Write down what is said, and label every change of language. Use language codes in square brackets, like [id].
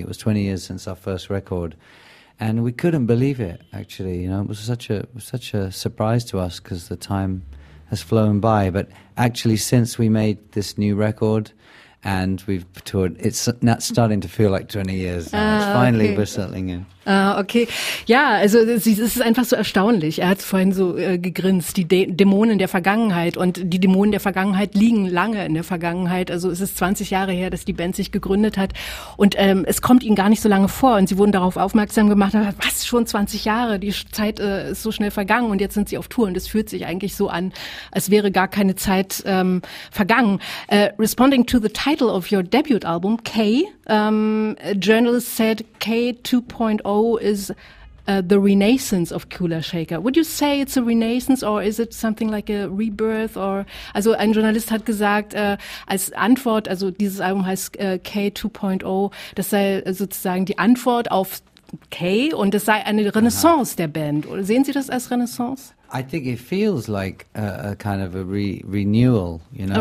[en] It was 20 years since our first record. And we couldn't believe it, actually. You know, it was such a surprise to us because the time has flown by. But actually, since we made this new record and we've toured, it's not starting to feel like 20 years. Finally, okay. We're settling in. [de] Okay. Ja, also es ist einfach so erstaunlich. Er hat vorhin so gegrinst, die Dämonen der Vergangenheit. Und die Dämonen der Vergangenheit liegen lange in der Vergangenheit. Also es ist 20 Jahre her, dass die Band sich gegründet hat. Und es kommt ihnen gar nicht so lange vor. Und sie wurden darauf aufmerksam gemacht, was, schon 20 Jahre? Die Zeit ist so schnell vergangen und jetzt sind sie auf Tour. Und es fühlt sich eigentlich so an, als wäre gar keine Zeit vergangen. [en] Responding to the title of your debut album, K, a journalist said K 2.0 is the renaissance of Kula Shaker. Would you say it's a renaissance or is it something like a rebirth? [de] Or also ein Journalist hat gesagt, als Antwort, also dieses Album heißt K 2.0, das sei sozusagen die Antwort auf K und das sei eine Renaissance der Band. Oder sehen Sie das als Renaissance? [en] I think it feels like a kind of a renewal, you know.